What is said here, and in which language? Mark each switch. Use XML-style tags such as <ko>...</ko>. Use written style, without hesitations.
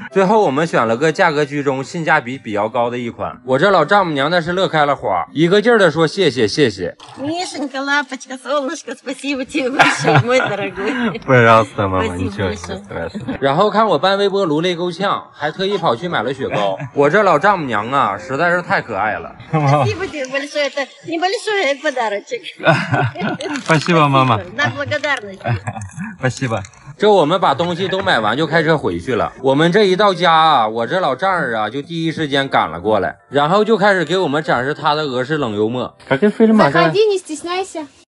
<zh>最后我们选了个价格居中性价比比较高的一款，我这老丈母娘那是乐开了花，一个劲儿的说谢谢谢谢。</zh> <ru>Мишенька, лапочка, солнышко, спасибо тебе большое, мой дорогой. Пожалуйста, мама, ничего страшного.</ru> <zh>然后看我搬微波炉累够呛，还特意跑去买了雪糕。我这老丈母娘啊，实在是太可爱了。</zh> <ru>Спасибо тебе большое, это небольшой подарочек. Спасибо, мама. На благодарность. Спасибо.</ru> <zh>这我们把东西都买完就开车回去了。我们这一到家啊，我这老丈人啊就第一时间赶了过来，然后就开始给我们展示他的俄式冷幽默。</zh> <ru>Заходи, не стесняйся。</ru>